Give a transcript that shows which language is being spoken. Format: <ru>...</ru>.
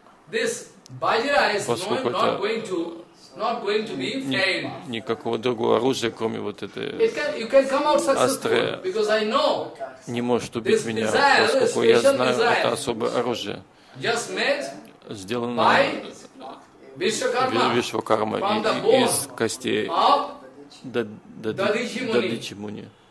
<en>This Bajra is not going to be failed.</en> <ru>Никакого другого оружия, кроме вот этой.</ru> <en>You can come out successful because I know.</en> <ru>Не может убить меня, поскольку я знаю, это особое оружие.</ru> <en>Just made.</en> <ru>Сделано. Вишвакарма из костей. Дадичи Муни.</ru>